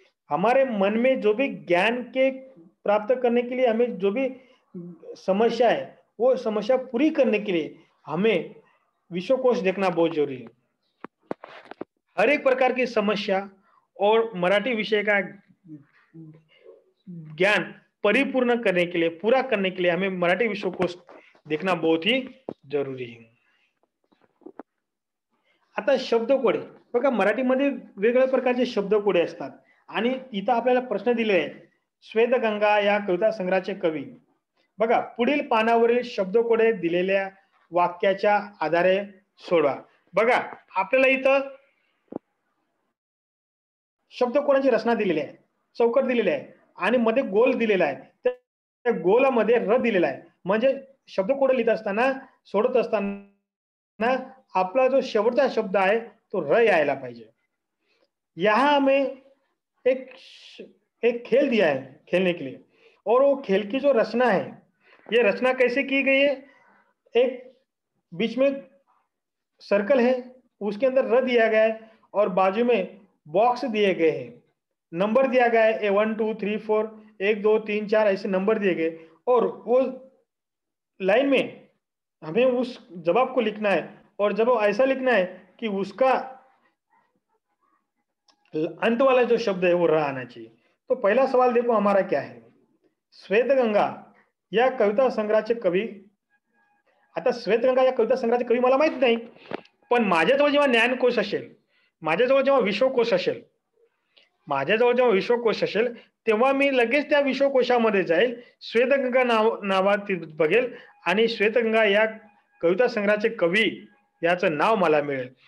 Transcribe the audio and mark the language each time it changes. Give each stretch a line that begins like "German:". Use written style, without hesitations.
Hindi: हमारे मन में जो भी ज्ञान के प्राप्त करने के लिए हमें जो भी समस्या है, वो समस्या पूरी करने के लिए हमें विश्वकोश देखना बहुत जरूरी है। हर एक प्रकार की समस्या और मराठी विषय का ज्ञान परिपूर्ण करने के लिए, पूरा करने के लिए हमें मराठी विश्वकोश देखना बहुत ही जरूरी है।
Marathi: आता शब्दकोडे, बघा मराठीमध्ये वेगवेगळ्या प्रकारचे शब्दकोडे असतात, आणि इथं आपल्याला प्रश्न दिले आहेत श्वेत गंगा या कविता संग्रहाचे कवी। बघा, पुढील पानावरील शब्दकोडे दिलेल्या वाक्याच्या आधारे सोडवा। बघा, आपल्याला इथं शब्दकोडांची रचना दिलेली आहे, चौकट दिलेली आहे, आणि मध्ये गोल दिलेला आहे, त्या गोलामध्ये र दिलेला आहे, म्हणजे शब्दकोडे लिहित असताना, सोडत असताना आपला जो शेवटचा शब्द आहे तो र यायला पाहिजे।
Hindi: यहां हमें एक खेल दिया है खेलने के लिए, और वो खेल की जो रचना है, ये रचना कैसे की गई है, एक बीच में सर्कल है, उसके अंदर र दिया गया है, और बाजू में बॉक्स दिए गए हैं, नंबर दिया गया है 1 2 3 4, 1 2 3 4 ऐसे नंबर दिए गए, और वो लाइन में हमें उस जवाब को लिखना है, और जवाब ऐसा लिखना है कि उसका अंत वाला जो शब्द है वो रहा आना चाहिए। तो पहला सवाल देखो हमारा क्या है, श्वेत गंगा या कविता संग्रह के कवि।
Marathi: आता श्वेत गंगा या कविता
Hindi: संग्रह के कवि
Marathi: मला माहित नाही, पण माझ्याजवळ जेव्हा ज्ञानकोश असेल, माझ्याजवळ जेव्हा विश्वकोश असेल, माझ्याजवळ जेव्हा विश्वकोश असेल तेव्हा मी लगेच त्या विश्वकोशामध्ये जाईल, श्वेत गंगा नावाती बघेल आणि श्वेत गंगा या कविता संग्रहाचे कवी याचं नाव मला मिळेल।